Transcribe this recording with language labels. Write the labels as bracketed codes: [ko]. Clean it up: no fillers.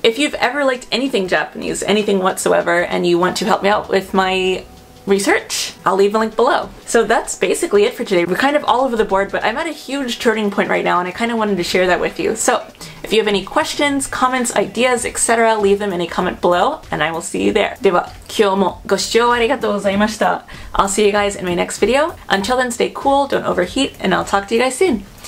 [en] If you've ever liked anything Japanese, anything whatsoever, and you want to help me out with my research, I'll leave a link below. So that's basically it for today. We're kind of all over the board, but I'm at a huge turning point right now, and I kind of wanted to share that with you. So if you have any questions, comments, ideas, etc., leave them in a comment below, and I will see you there. [ja] では、今日もご視聴ありがとうございました。 [en] I'll see you guys in my next video. Until then, stay cool, don't overheat, and I'll talk to you guys soon.